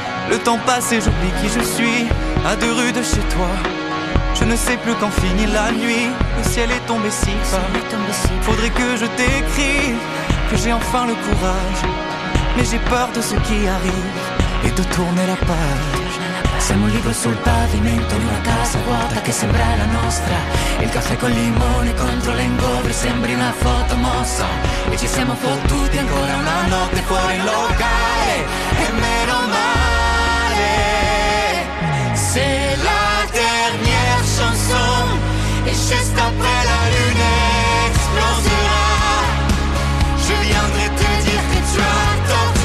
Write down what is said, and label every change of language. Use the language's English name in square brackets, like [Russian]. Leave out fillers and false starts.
[French] Le temps passe et j'oublie qui je suis, à deux rues de chez toi. Je ne sais plus quand finit la nuit, le ciel est tombé si bas. Faudrait que je t'écris, que j'ai enfin le courage. Mais j'ai peur de ce qui arrive et de tourner la page. [Italian] Siamo un libro sul pavimento di una casa vuota che sembra la nostra. Il caffè col limone contro l'ingombro sembri una foto mossa. E ci siamo fottuti ancora una notte fuori in locale. E meno male se [French] la dernière chanson est juste après la lune explosera. Je viendrai te dire que tu as tort.